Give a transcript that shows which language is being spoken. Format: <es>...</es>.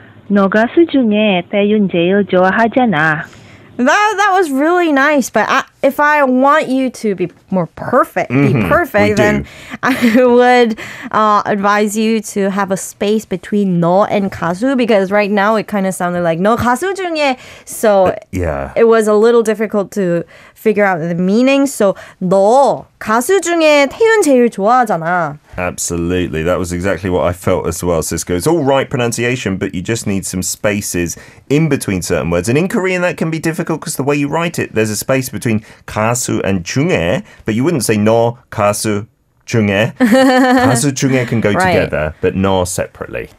<ko>너 가수 중에 대윤 제일 좋아하잖아.</ko> <en>That was really nice, but if I want you to be more perfect, then I would advise you to have a space between 너 and 가수, because right now it kind of sounded like</en> <ko>너 가수 중에,</ko> <en>so it was a little difficult to figure out the meaning.</en> <ko>So 너 가수 중에 태윤 제일 좋아하잖아.</ko> <en>Absolutely. That was exactly what I felt as well, Cisco. It's all right pronunciation, but you just need some spaces in between certain words. And in Korean, that can be difficult because the way you write it, there's a space between 가수 and 중에, but you wouldn't say</en> <ko>너 가수 중에. 가수 중에</ko> <en>can go together, but 너 separately.</en>